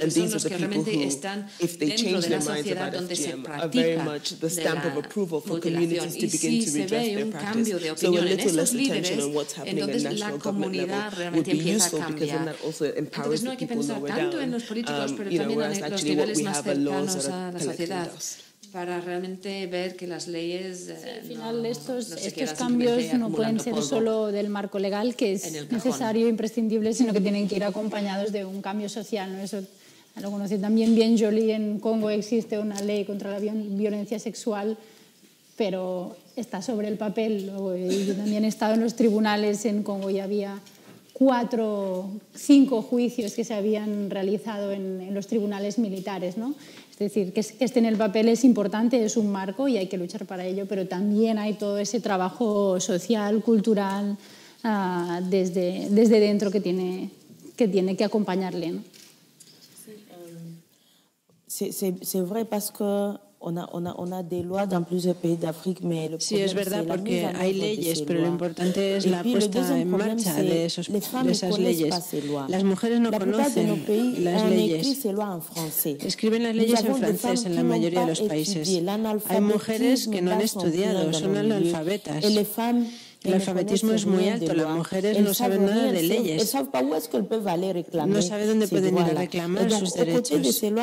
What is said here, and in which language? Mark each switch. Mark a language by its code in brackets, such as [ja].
[en] And these are the people who, if they change their minds about FGM, are very much the stamp of approval for communities to begin to redress their practice. So a little less attention on what's happening at national government level would be useful, because then that also empowers the people lower down, you know, whereas actually what we have are laws that are collecting dust. [es] Para realmente ver que las leyes al final estos cambios no pueden ser solo del marco legal, que es necesario e imprescindible, sino que tienen que ir acompañados de un cambio social, ¿no? Eso lo conoce también bien Jolie. En Congo existe una ley contra la violencia sexual, pero está sobre el papel. Yo también he estado en los tribunales en Congo y había 4-5 juicios que se habían realizado en los tribunales militares, ¿no? Es decir, que esté en el papel es importante, es un marco y hay que luchar para ello, pero también hay todo ese trabajo social, cultural, desde dentro que tiene que acompañarle, ¿no? Sí, es verdad, porque [fr] on a des lois dans plusieurs pays d'Afrique, mais le problème, [es] sí, es verdad, [fr] c'est [es] porque hay leyes, pero lo importante es la puesta en marcha de esas leyes. Las mujeres no conocen las leyes. Escriben las leyes en francés en la mayoría de los países. Hay mujeres que no han estudiado, son analfabetas. El alfabetismo es muy alto, las mujeres no saben nada de leyes, no saben dónde pueden ir a reclamar sus derechos.